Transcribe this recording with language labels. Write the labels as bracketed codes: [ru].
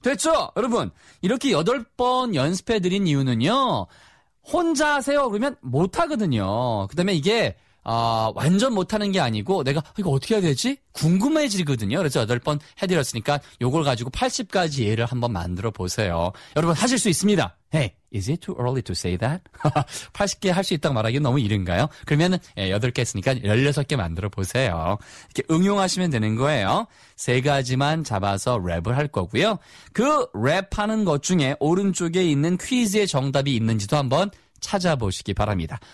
[ko] 됐죠? 여러분, 이렇게 8번 연습해드린 이유는요. 혼자 하세요. 그러면 못하거든요. 그 다음에 이게 완전 못하는 게 아니고 내가 이거 어떻게 해야 되지? 궁금해지거든요. 그래서 8번 해드렸으니까 요걸 가지고 80가지 예를 한번 만들어 보세요. 여러분 하실 수 있습니다. [en] Hey, is it too early to say that? [ko] 80개 할 수 있다고 말하기엔 너무 이른가요? 그러면은 8개 했으니까 16개 만들어 보세요. 이렇게 응용하시면 되는 거예요. 세 가지만 잡아서 랩을 할 거고요. 그 랩하는 것 중에 오른쪽에 있는 퀴즈의 정답이 있는지도 한번 찾아보시기 바랍니다.